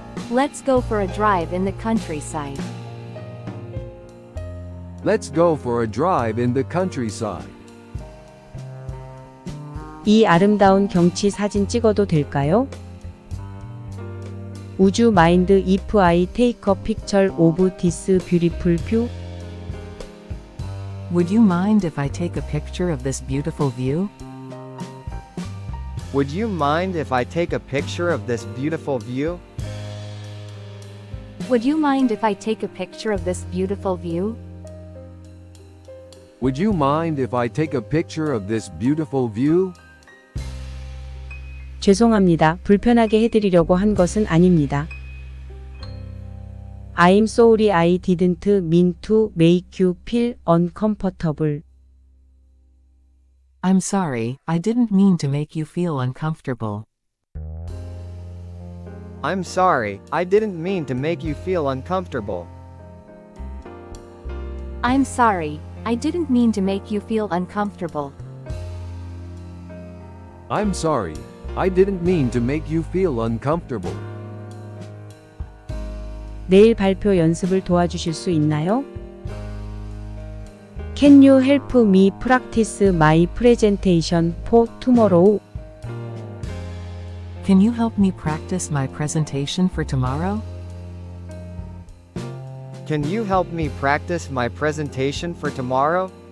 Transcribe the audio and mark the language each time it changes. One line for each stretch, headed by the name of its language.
English: Let's go for a drive in the countryside. Let's go for a drive in the countryside.
Korean: 이 아름다운 경치 사진 찍어도 될까요?
English: Would you mind if I take a picture of this beautiful view? Would you mind if I take a picture of this beautiful view? Would you mind if I take a picture of this beautiful view? Would you mind if I take a picture of this beautiful view? Would you mind if I take a picture of this beautiful view?
Korean: 죄송합니다. 불편하게 해드리려고 한 것은 아닙니다.
English: I'm sorry I didn't mean to make you feel uncomfortable. I'm sorry I didn't mean to make you feel uncomfortable. I'm sorry I didn't mean to make you feel uncomfortable. I'm sorry I didn't mean to make you feel uncomfortable. I'm sorry I didn't mean to make you feel uncomfortable.
Korean: 내일 발표 연습을 도와주실 수 있나요?
English: Can you help me practice my presentation for tomorrow? Can you help me practice my presentation for tomorrow? Can you help me practice my presentation for tomorrow?